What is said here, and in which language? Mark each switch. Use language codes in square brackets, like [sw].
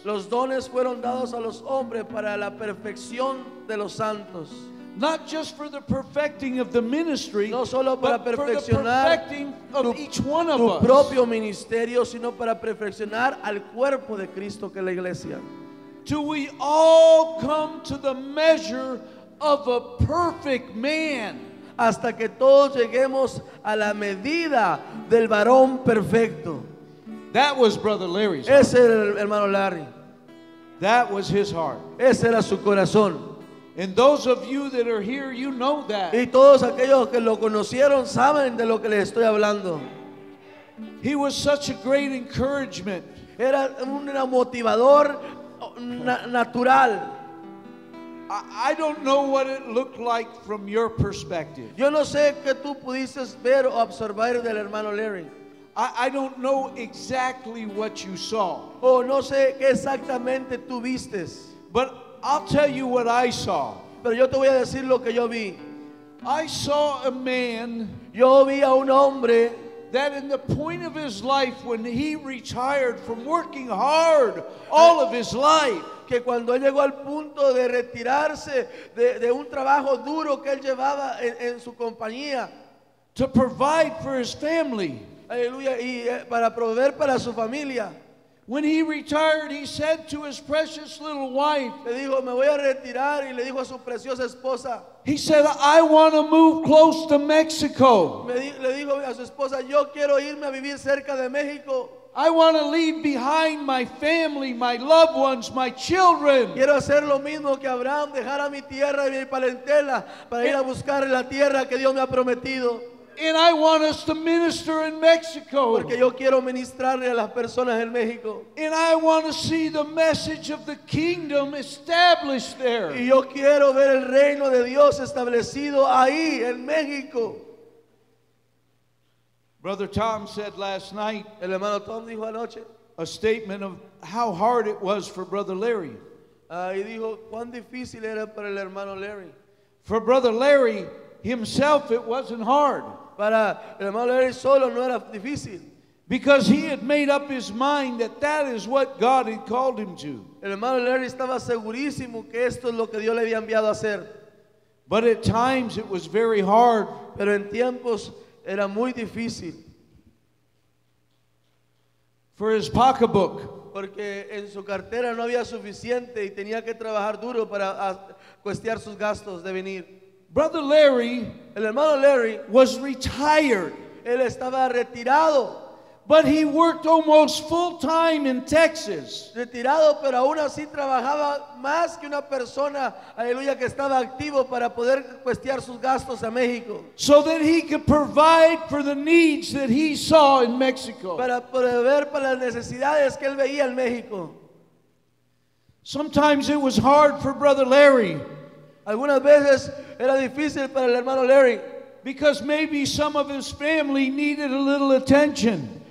[es] Los dones fueron dados a los hombres para la perfección de los santos. [en] Not just for the perfecting of the ministry, [es] no solo para perfeccionar tu propio ministerio, sino para perfeccionar al cuerpo de Cristo que es la iglesia. [en] Till we all come to the measure of a perfect man. [es] Hasta que todos lleguemos a la medida del varón perfecto. [en] That was Brother Larry's heart. [es] Ese era el hermano Larry. [en] That was his heart. [es] Ese era su corazón. [en] And those of you that are here, you know that. [es] Y todos aquellos que lo conocieron saben de lo que les estoy hablando. [en] He was such a great encouragement. [es] Era un motivador natural. [en] I don't know what it looked like from your perspective. [es] Yo no sé qué tú pudiste ver o observar del hermano Larry. [en] I don't know exactly what you saw. [es] Oh, no sé qué exactamente tú vistes. [en] But I'll tell you what I saw. [es] Pero yo te voy a decir lo que yo vi. [en] I saw a man. [es] Yo vi a un hombre. [en] That in the point of his life, when he retired from working hard all of his life, [es] que cuando él llegó al punto de retirarse de un trabajo duro que él llevaba en su compañía, [en] to provide for his family, [es] aleluya, y para proveer para su familia, [en] when he retired, he said to his precious little wife, [es] le dijo, me voy a retirar, y le dijo a su preciosa esposa. [en] He said, I want to move close to Mexico. [es] Le dijo a su esposa, yo quiero irme a vivir cerca de México. [en] I want to leave behind my family, my loved ones, my children. [es] Quiero hacer lo mismo que Abraham, dejar a mi tierra y mi parentela para ir a buscar la tierra que Dios me ha prometido. [en] And I want us to minister in Mexico. [es] Porque yo quiero ministrarle a las personas en México. [en] And I want to see the message of the kingdom established there. [es] Y yo quiero ver el reino de Dios establecido ahí en México. [en] Brother Tom said last night, [es] el hermano Tom dijo anoche, [en] a statement of how hard it was for Brother Larry. [es] Y dijo, cuán difícil era para el hermano Larry. [en] For Brother Larry himself, it wasn't hard. [es] Para el hermano Larry solo no era difícil. [en] Because he had made up his mind that that is what God had called him to. [es] El hermano Larry estaba segurísimo que esto es lo que Dios le había enviado a hacer. [en] But at times it was very hard. [es] Pero en tiempos era muy difícil. [en] For his pocketbook. [es] Porque en su cartera no había suficiente y tenía que trabajar duro para costear sus gastos de venir. [en] Brother Larry, [es] el hermano Larry, [en] was retired. [es] Él estaba retirado. [en] But he worked almost full time in Texas. [es] Retirado, pero aún así trabajaba más que una persona, aleluya, que estaba activo para poder costear sus gastos a México. [en] So that he could provide for the needs that he saw in Mexico. [es] Para proveer para las necesidades que él veía en México. [en] Sometimes it was hard for Brother Larry. [es] Algunas veces era difícil para el hermano Larry. [en] Because maybe some of his family needed a little attention.